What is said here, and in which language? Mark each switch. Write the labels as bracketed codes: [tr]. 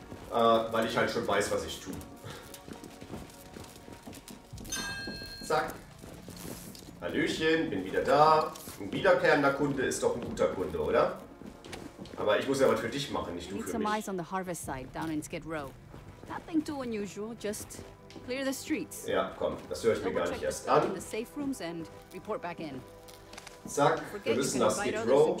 [de] Weil ich halt schon weiß, was ich tue. Zack. Hallöchen, bin wieder da. Ein wiederkehrender Kunde ist doch ein guter Kunde, oder? Aber ich muss ja was für dich machen, nicht du für mich. [en] Some eyes on the harvest side, down in Skid Row. Nothing too unusual, just clear the streets. [de] Ja, komm, das höre ich mir gar nicht erst an. [en] The safe rooms and report back in. [de] Zack, wir müssen nach Skid Row.